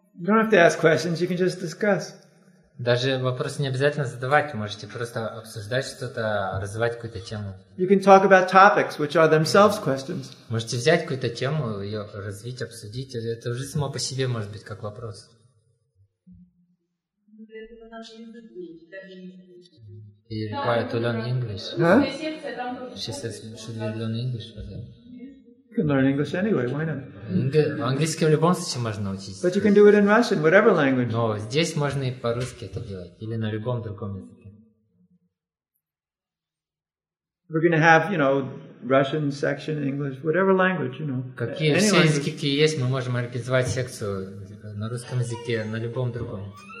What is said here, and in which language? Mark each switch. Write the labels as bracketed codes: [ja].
[en] You don't have to ask questions, you can just discuss. [ru] Даже вопрос не обязательно задавать, можете просто обсуждать что-то, развивать какую-то тему. [en] You can talk about topics, which are themselves questions. [ru] Можете взять какую-то тему, ее развить, обсудить, это уже само по себе может быть как вопрос. И [en] require to learn English. Huh? She says, should we learn English for them? You can learn English anyway, why not? [ru] Английский в любом случае можно учить. [en] But you can do it in Russian, whatever language. [ru] Но здесь можно и по-русски это делать, или на любом другом языке. [en] We're going to have, you know, Russian section, English, whatever language, you know. [ru] Какие все языки есть, мы можем организовать секцию на русском языке, на любом другом.